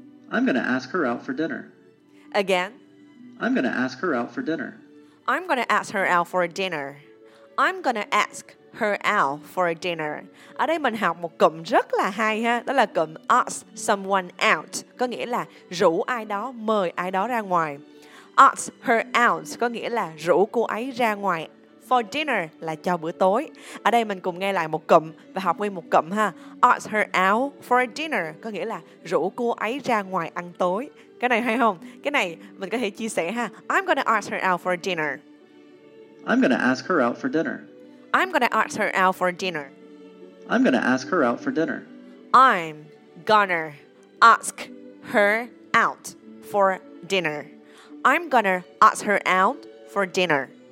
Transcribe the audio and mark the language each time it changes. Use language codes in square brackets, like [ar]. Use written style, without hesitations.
[en] I'm gonna ask her out for dinner. Again. I'm gonna ask her out for dinner. I'm gonna ask her out for dinner. I'm gonna ask her out for a dinner. [vi] Ở đây mình học một cụm rất là hay ha. Đó là cụm [en] ask someone out. [vi] Có nghĩa là rủ ai đó, mời ai đó ra ngoài. [en] Ask her out [vi] có nghĩa là rủ cô ấy ra ngoài. For dinner là cho bữa tối. Ở đây mình cùng nghe lại một cụm và học nguyên một cụm ha. [en] Ask her out for a dinner [vi] có nghĩa là rủ cô ấy ra ngoài ăn tối. Cái này hay không? Cái này mình có thể chia sẻ ha. [en] I'm gonna ask her out for a dinner. I'm gonna ask her out for dinner. I'm gonna ask her out for dinner. I'm gonna ask her out for dinner. I'm gonna ask her out for dinner. I'm gonna ask her out for dinner.